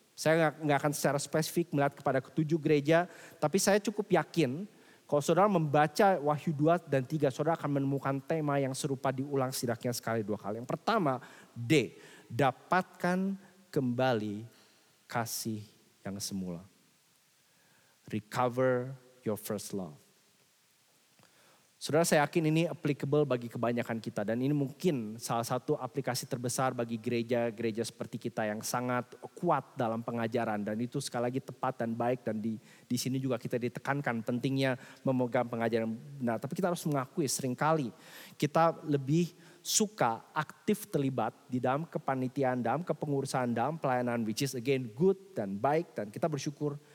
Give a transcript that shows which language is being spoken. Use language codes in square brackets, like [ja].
[id] Saya gak akan secara spesifik melihat kepada ketujuh gereja. Tapi saya cukup yakin kalau saudara membaca Wahyu 2 dan 3. Saudara akan menemukan tema yang serupa diulang setidaknya sekali dua kali. Yang pertama D. Dapatkan kembali kasih yang semula. [en] Recover your first love. [id] Saudara, saya yakin ini applicable bagi kebanyakan kita. Dan ini mungkin salah satu aplikasi terbesar bagi gereja-gereja seperti kita yang sangat kuat dalam pengajaran. Dan itu sekali lagi tepat dan baik. Dan di sini juga kita ditekankan pentingnya memegang pengajaran. Nah, tapi kita harus mengakui seringkali kita lebih suka aktif terlibat di dalam kepanitiaan, dalam kepengurusan, dalam pelayanan, [en] which is again good [id] dan baik dan kita bersyukur.